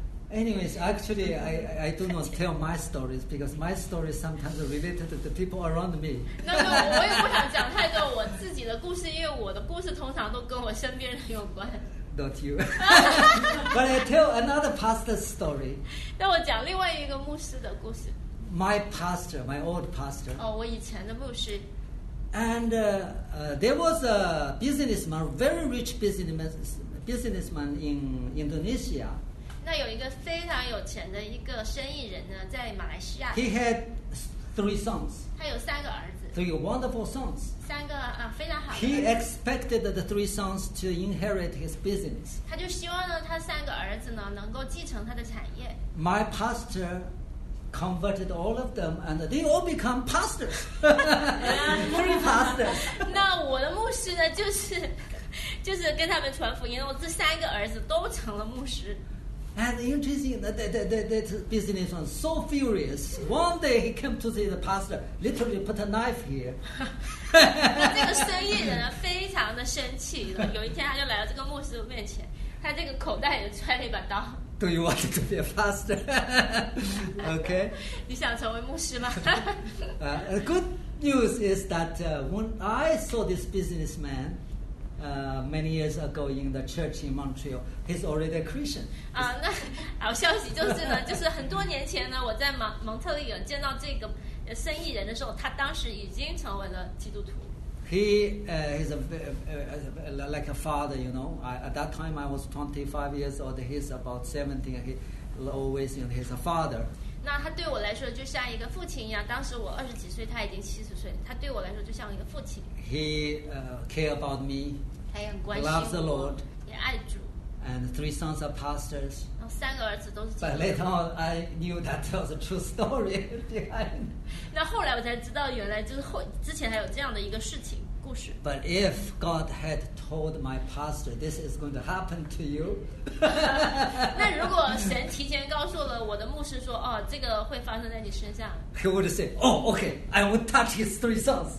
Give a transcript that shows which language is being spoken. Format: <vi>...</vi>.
<en>Anyways, actually, I do not tell my stories because my stories sometimes are related to the people around me.</en> <zh>那么我也不想讲太多我自己的故事，因为我的故事通常都跟我身边人有关。</zh> <en>Not you. But I tell another pastor's story.</en> <zh>那我讲另外一个牧师的故事。</zh> <en>My pastor, my old pastor.</en> <zh>我以前的牧师。</zh> <en>And there was a businessman, very rich businessman in Indonesia.</en> <zh>那有一个非常有钱的一个生意人呢，在马来西亚。</zh> <en>He had three sons.</en> <zh>他有三个儿子。</zh> <en>Three wonderful sons.</en> <zh>三个非常好的。</zh> <en>He expected the three sons to inherit his business.</en> <zh>他就希望呢，他三个儿子呢，能够继承他的产业。</zh> <en>My pastor. Converted all of them, and they all become pastors. Three pastors.</en> <zh>那我的牧师呢，就是跟他们传福音，我这三个儿子都成了牧师。</zh> <en>And interesting, that business was so furious. One day he came to see the pastor, literally put a knife here.</en> <zh>那这个生意人呢，非常的生气。有一天他就来到这个牧师面前，他这个口袋里揣了一把刀。</zh> <en>Do you want to be a pastor? Okay.</en> <zh>你想成为牧师吗？</zh> <en>The good news is that when I saw this businessman many years ago in the church in Montreal, he's already a Christian.</en> <zh>那好消息就是呢，就是很多年前呢，我在蒙特利尔见到这个生意人的时候，他当时已经成为了基督徒。</zh> <en>He's like a father, you know. At that time, I was 25 years old. He's about 17. He always, you know, he's a father.</en> <zh>那他对我来说就像一个父亲一样。当时我二十几岁，他已经七十岁。他对我来说就像一个父亲。</zh> <en>He care about me.</en> <zh>他也很关心我。</zh> <en>Loves the Lord.</en> <zh>也爱主。</zh> <en>And three sons are pastors.</en> <zh>三个儿子都是。</zh> <en>But later on, I knew that was a true story behind.</en> <zh>那后来我才知道，原来就是之前还有这样的一个事情。故事。</zh> <en>But if God had told my pastor this is going to happen to you,</en> <zh>那如果神提前告诉了我的牧师说，哦，这个会发生在你身上。</zh> <en>He would say, "Oh, okay, I won't touch his three sons."</en>